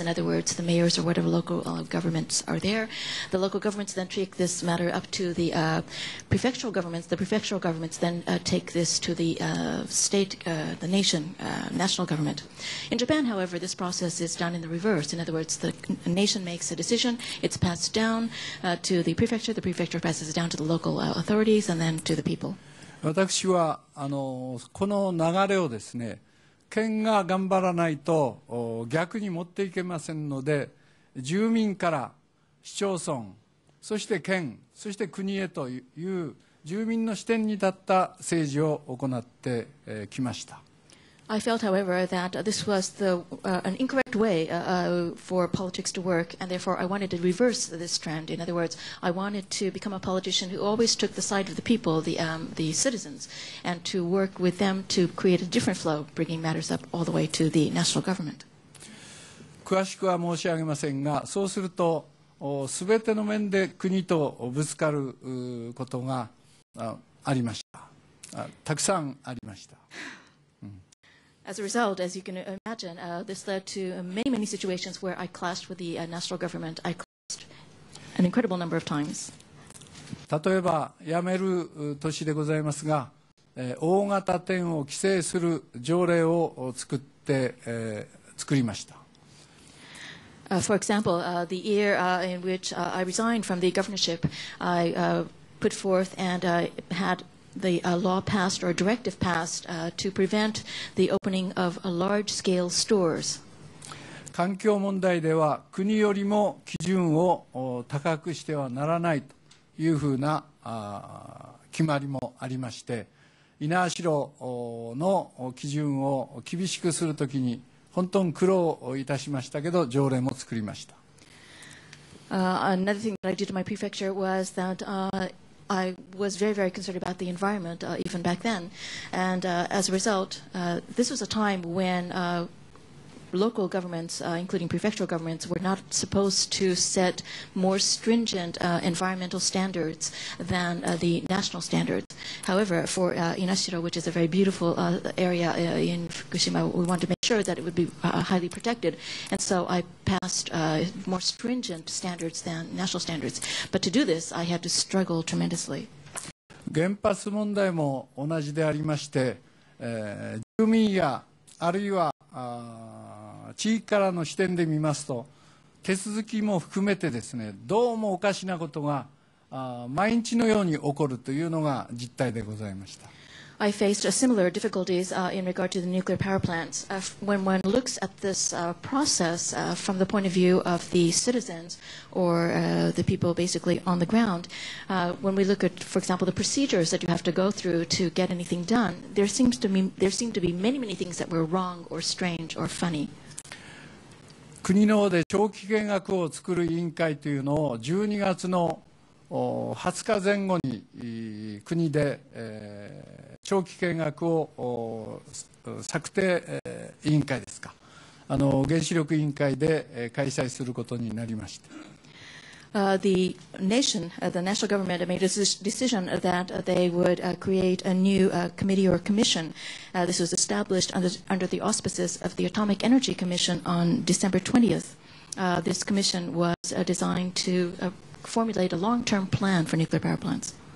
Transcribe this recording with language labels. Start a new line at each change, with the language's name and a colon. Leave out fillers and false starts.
English: In other words, the mayors or whatever local governments are there. The local governments then take this matter up to the prefectural governments. The prefectural governments then take this to the state, the nation, national government. In Japan, however, this process is done in the reverse. In other words, the nation makes a decision. It's passed down to the prefecture, the prefecture passes down to the local authorities and then to the people.
Japanese: 私はこの流れをですね、県が頑張らないと逆に持っていけませんので、住民から市町村、そして県、そして国へという住民の視点に立った政治を行ってきました。
English: I felt, however, that this was the, an incorrect way for politics to work, and therefore I wanted to reverse this trend. In other words, I wanted to become a politician who always took the side of the people, the citizens, and to work with them to create a different flow, bringing matters up all the way to the national government.
Japanese: 詳しくは申し上げませんが、そうすると、すべての面で国とぶつかることがありました。たくさんありました。
English: As a result, as you can imagine, this led to many, many situations where I clashed with the national government. I clashed an incredible number of times.
Japanese: 例えば辞める年でございますが、大型店を規制する条例を作って、作りました。
English: For example, the year in which I resigned from the governorship, I put forth and had the law passed or directive passed to prevent the opening of large-scale stores.
Japanese: 環境問題では国よりも基準を高くしてはならないというふうな決まりもありまして、猪苗代の基準を厳しくするときに本当に苦労いたしましたけど、条例も作りました。
English: Another thing that I did to my prefecture was that I was very, very concerned about the environment even back then. And as a result, this was a time when local governments, including prefectural governments, were not supposed to set more stringent environmental standards than the national standards. However, for Inashiro, which is a very beautiful area in Fukushima, we wanted to make sure that it would be highly protected. And so I passed more stringent standards than national standards. But to do this, I had to struggle tremendously.
Japanese: 原発問題も同じでありまして、住民やあるいは地域からの視点で見ますと、手続きも含めてですね、どうもおかしなことが毎日のように起こるというのが実態でございました。
English: I faced similar difficulties in regard to the nuclear power plants. When one looks at this process from the point of view of the citizens or the people basically on the ground, when we look at, for example, the procedures that you have to go through to get anything done, there seem to be many, many things that were wrong or strange or funny.
Japanese: 国の方で長期計画を作る委員会というのを12月の20日前後に国で長期計画を策定委員会ですか、原子力委員会で開催することになりました。
English: The national government made a decision that they would create a new committee or commission. This was established under the auspices of the Atomic Energy Commission on December 20th. This commission was designed to formulate a long-term plan for nuclear power plants.